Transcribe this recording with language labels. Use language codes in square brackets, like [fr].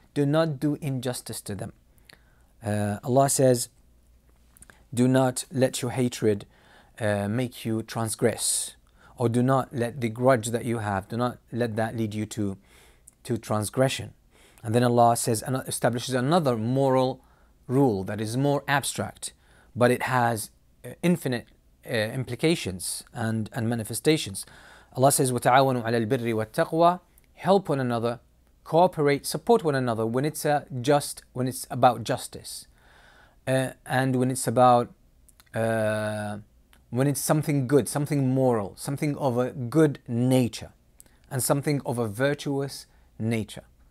[en] Do not do injustice to them. Allah says, do not let your hatred make you transgress, or do not let the grudge that you have, do not let that lead you to transgression. And then Allah says, and establishes another moral rule that is more abstract, but it has infinite implications and manifestations. Allah says, [ar] وَتَعَوَنُوا عَلَى الْبِرِّ وَالتَّقْوَى. [en] Help one another, cooperate, support one another when it's a just, when it's about justice, and when it's about when it's something good, something moral, something of a good nature, and something of a virtuous nature.